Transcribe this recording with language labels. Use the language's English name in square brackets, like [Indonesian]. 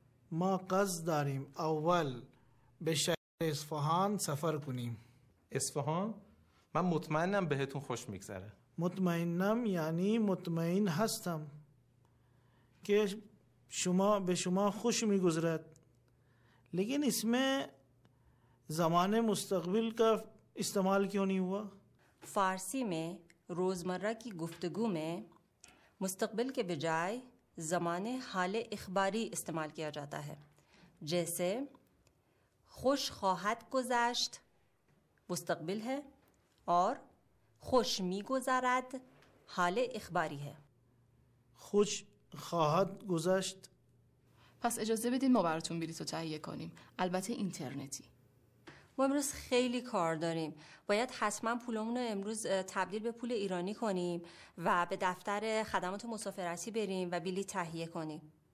[Persian] ما قصد داریم اول به شهر اصفهان سفر کنیم. اصفهان؟ من مطمئنم بهتون خوش میگذره. مطمئنم یعنی مطمئن هستم که شما به شما خوش میگذرد. [Urdu] لیکن اسم زمان مستقبل کا استعمال کیوں نہیں ہوا؟ فارسی میں روزمرہ کی گفتگو میں مستقبل کے بجائے زمان حال اخباری استعمال کیا جاتا ہے، جیسے [Persian] خوش خواہد گذشت [Urdu] مستقبل ہے اور [Persian] خوش می گذرد [Urdu] حال اخباری ہے. [Persian] خوش خواہد گذشت. پس اجازه بدین ما براتون بلیط تهیه کنیم، البته اینترنتی. ما امروز خیلی کار داریم، باید حتما پولمون رو امروز تبدیل به پول ایرانی کنیم و به دفتر خدمات مسافرتی بریم و بلیط تهیه کنیم.